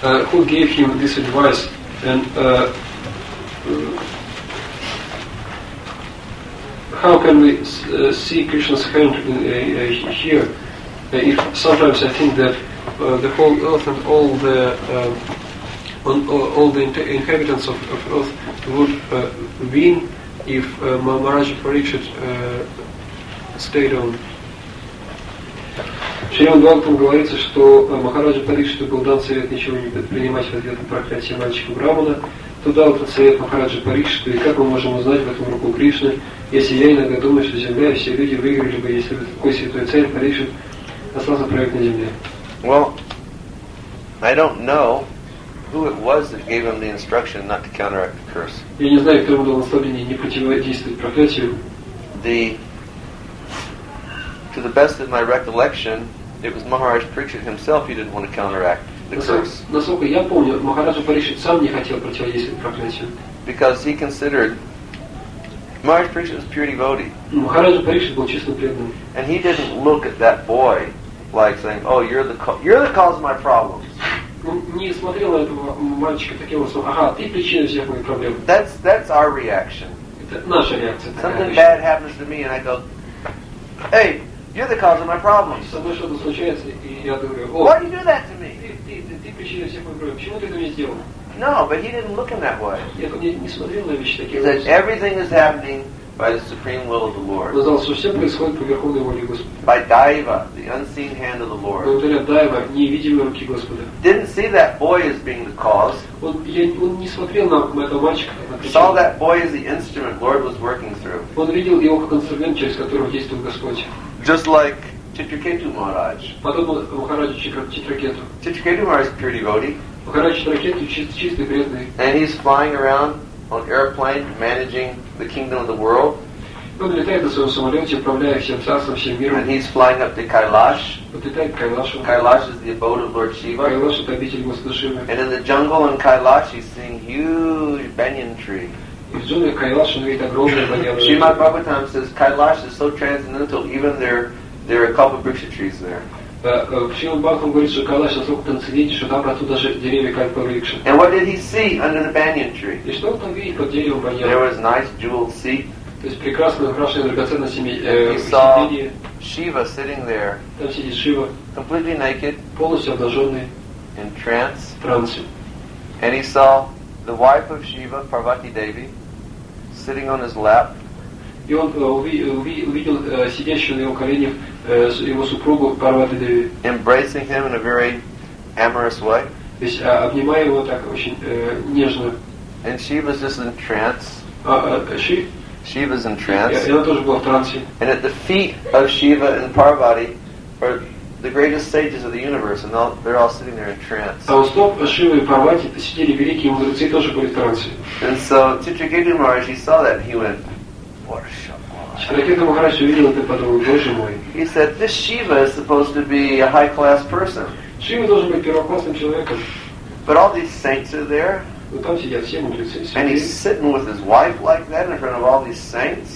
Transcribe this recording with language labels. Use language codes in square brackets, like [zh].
[en] Who gave him this advice? And how can we see Krishna's hand here? If sometimes I think that the whole earth and all the inhabitants of earth would win if Maharaja Parikshit stayed on. [ru] Шримад Бхагаватам говорится, что Махараджа Парикшиту был дан совет ничего не предпринимать в ответ на проклятие мальчика Брамана. Кто дал этот совет Махараджа Парикшиту, и как мы можем узнать в этом руку Кришны, если я иногда думаю, что земля и все люди выиграли бы, если бы такой святой царь Парикшит остался проект на земле? [en] Well, I don't know who it was that gave him the instruction not to counteract the curse. [ru] Я не знаю, кто ему дал наставление не противодействовать проклятию. [en] To the best of my recollection, it was Maharaj Parikshit himself who didn't want to counteract the curse. [ru] Насколько я помню, Махараджа Парикшит сам не хотел противодействовать проклятию. [en] Because he considered Maharaj Parikshit was pure devotee. [ru] Махараджа Парикшит был чистым преданным. [en] And he didn't look at that boy like saying, "Oh, you're the cause of my problems." [ru] Не смотрел на этого мальчика таким образом. Ага, ты причина всех моих проблем. [en] That's our reaction. [ru] Это наша реакция. [en] Something bad happens to me, and I go, "Hey, you're the cause of my problems." [ru] Со мной что-то случается, и я говорю, [en] "Why do you do that to me?" [ru] Ты причина всех моих проблем. Почему ты это мне сделал? [en] No, but he didn't look in that way. [ru] Не смотрел на вещи таким образом. [en] That everything is happening by the supreme will of the Lord. [ru] Сказал, что все происходит по верховной воле Господа. [en] By Daiva, the unseen hand of the Lord. [ru] Благодаря Дайва, невидимой руки Господа. [en] Didn't see that boy as being the cause. [ru] Он не смотрел на этого мальчика. [en] Saw that boy as the instrument Lord was working through. [ru] Он видел его как инструмент, через которого действовал Господь. [en] Just like Chitraketu Maharaj. [ru] Подобно Махараджу Читракету. [en] Читракету Махарадж pure devotee. [ru] Махарадж Читракету чистый преданный. [en] And he's flying around on airplane, managing the kingdom of the world. [ru] Он летает на своем самолете, управляя всем царством, всем миром. [en] And he's flying up to Kailash. [ru] Подлетает к Кайлашу. [en] Kailash is the abode of Lord Shiva. [ru] Кайлаш — это обитель Господа Шивы. [en] And in the jungle in Kailash, he's seeing huge banyan tree. [ru] И в джунглях Кайлаш он видит огромные банья. [en] Шримад Бхагаватам says Kailash is so transcendental, even there are a couple of briksha trees there. [ru] Шримад Бхагаватам говорит, что Кайлаш настолько трансцендентен, что там растут даже деревья кальпа брикша. [en] And what did he see under the banyan tree? [ru] И что он там видит под деревом банья? [en] There was nice jeweled seat. [ru] То есть прекрасно украшенное драгоценное сиденье. [en] He saw Shiva sitting there. [ru] Там сидит Шива. [en] Completely naked. [ru] Полностью обнаженный. [en] In trance. [ru] В трансе. [en] And he saw the wife of Shiva, Parvati Devi, sitting on his lap. [ru] и он увидел сидящую на его коленях его супругу Парвати Деви. [en] Embracing him in a very amorous way. [ru] То есть обнимая его так очень нежно. [en] And she was just in trance. Shiva is in trance. [ru] Она тоже была в трансе. [en] And at the feet of Shiva and Parvati are the greatest sages of the universe, and they're all sitting there in trance. [ru] А у стоп Шивы и Парвати сидели великие мудрецы, тоже были в трансе. [en] And so Chitrakirti Maharaj, he saw that, and he went, what a shock. [ru] Chitrakirti Maharaj увидел это, подумал, боже мой. [en] He said, this Shiva is supposed to be a high class person. [ru] Шива должен быть первоклассным человеком. [en] But all these saints are there. And he's sitting with his wife like that in front of all these saints.